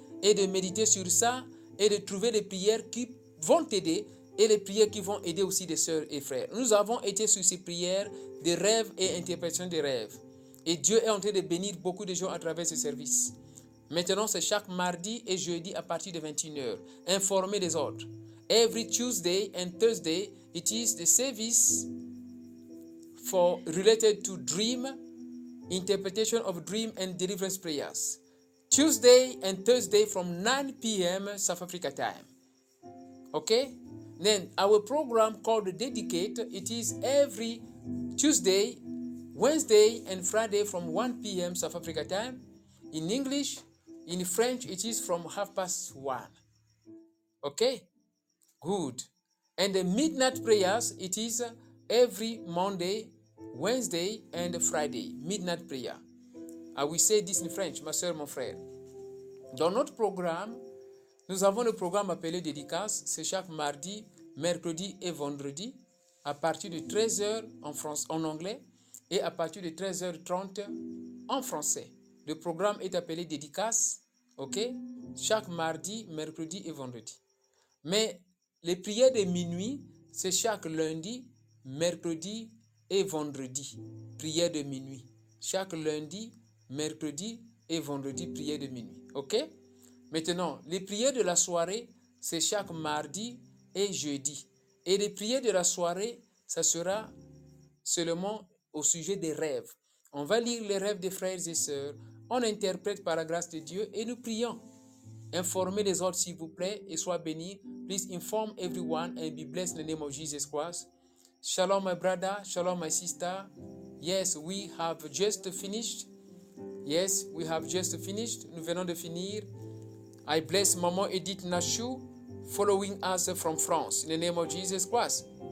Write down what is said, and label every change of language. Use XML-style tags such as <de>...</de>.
<fr>Et de méditer sur ça et de trouver les prières qui vont t'aider et les prières qui vont aider aussi des soeurs et frères. Nous avons été sur ces prières des rêves et interprétation des rêves. Et Dieu est en train de bénir beaucoup de gens à travers ce service. Maintenant, c'est chaque mardi et jeudi à partir de 21h. Informez les autres.</fr> <en>Every Tuesday and Thursday, it is the service for related to dream, interpretation of dream and deliverance prayers. Tuesday and Thursday from 9 p.m. South Africa time. Okay? Then our program called Dedicate, it is every Tuesday, Wednesday and Friday from 1 p.m. South Africa time. In English, in French, it is from 1:30. Okay? Good. And the midnight prayers, it is every Monday, Wednesday, and Friday. Midnight prayer. I will say this in French,</en> <fr>ma soeur, mon frère. Dans notre programme, nous avons le programme appelé Dédicace. C'est chaque mardi, mercredi et vendredi, à partir de 13h en France, en anglais, et à partir de 13h30 en français. Le programme est appelé Dédicace, ok? Chaque mardi, mercredi et vendredi. Mais les prières de minuit, c'est chaque lundi, mercredi et vendredi. Prière de minuit. Chaque lundi, mercredi et vendredi, prière de minuit. OK? Maintenant, les prières de la soirée, c'est chaque mardi et jeudi. Et les prières de la soirée, ça sera seulement au sujet des rêves. On va lire les rêves des frères et sœurs. On interprète par la grâce de Dieu et nous prions. Informez les autres, s'il vous plaît, et sois béni.</fr> <en>Please inform everyone and be blessed in the name of Jesus Christ. Shalom, my brother. Shalom, my sister. Yes, we have just finished. Yes, we have just finished.</en> <fr>Nous venons de finir.</fr> <en>I bless Maman Edith Nashu, following us from France, in the name of Jesus Christ.</en>